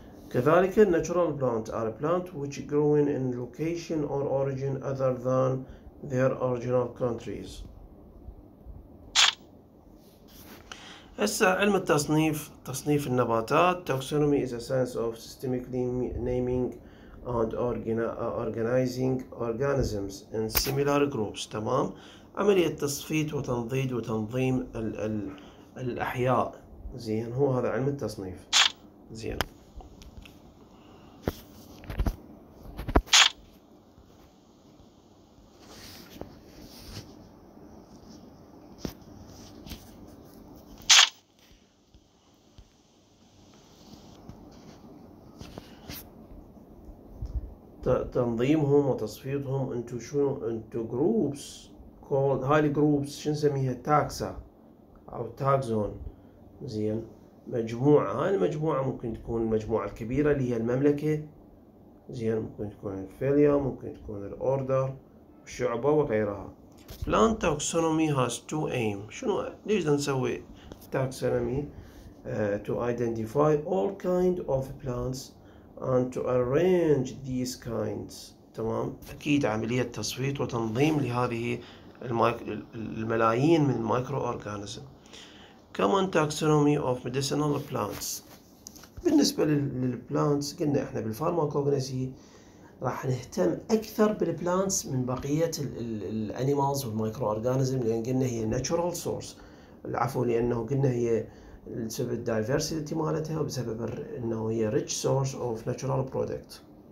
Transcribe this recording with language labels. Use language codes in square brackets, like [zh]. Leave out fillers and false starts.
[ar] كذلك [en] natural plants are plants which growing in location or origin other than their original countries. [ar] هسه علم التصنيف، تصنيف النباتات [en] taxonomy is a science of systemically naming and organizing organisms in similar groups، [ar] تمام؟ عملية تصفيت وتنضيد وتنظيم الأحياء، زين، هو هذا علم التصنيف، زين. تنظيمهم وتصفيتهم into شنو؟ [en] into groups called highly groups، [ar] شو نسميها؟ تاكسا أو تاكزون، زين، مجموعة. هاي المجموعة ممكن تكون المجموعة الكبيرة اللي هي المملكة، زين، ممكن تكون الفيليا، ممكن تكون الأوردر، الشعبة وغيرها. [en] plant taxonomy has two aim، [ar] شنو؟ ليش نسوي [en] taxonomy؟ to identify all kind of plants and to arrange these kinds، [ar] تمام؟ أكيد عملية تصويت وتنظيم لهذه الملايين من المايكرو أورغانيزم. [en] common taxonomy of medicinal plants، [ar] بالنسبة للplants قلنا إحنا بالفارماكوجنسي راح نهتم أكثر بالplants من بقية الأنيمالز والمايكرو أورغانيزم، لأن قلنا هي [en] natural source، [ar] العفو، لأنه قلنا هي بسبب الدايفرسيتي مالتها وبسبب انه هي [en] Rich source of natural product.